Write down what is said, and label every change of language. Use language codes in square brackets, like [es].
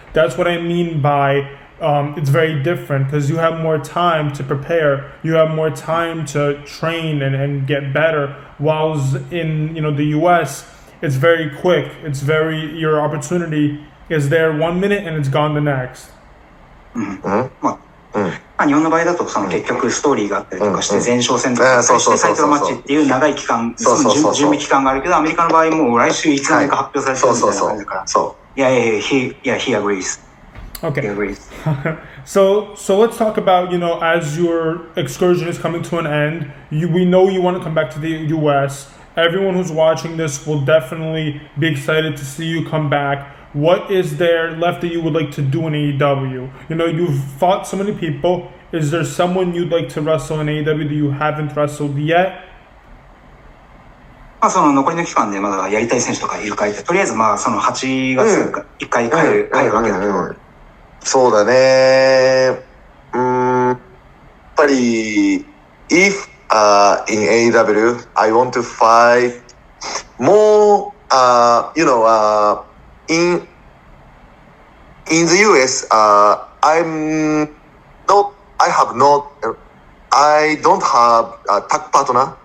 [en] That's what I mean by it's very different, because you have more time to prepare. You have more time to train and get better. Whilst in, you know, the US, it's very quick. It's very, your opportunity is there 1 minute and it's gone the next. [ja] まあ、日本の場合だとその結局ストーリーがあったりとかして前哨戦とかしてタイトルマッチっていう長い期間、準備期間があるけど、アメリカの場合もう来週いつ何か発表されてるみたいな感じだから。そう。 [en] Yeah, he agrees. Okay. So let's talk about, you know, as your excursion is coming to an end, we know you want to come back to the U.S. Everyone who's watching this will definitely be excited to see you come back. What is there left that you would like to do in AEW? You know, you've fought so many people. Is there someone you'd like to wrestle in AEW that you haven't wrestled yet? [ja] まあ、その残りの期間でまだやりたい選手とかいるかいって、とりあえずまあその8月1回帰るわけだけど、そうだね。 [en] やっぱり if in AEW I want to fight more you know in the US I don't have a tag partner、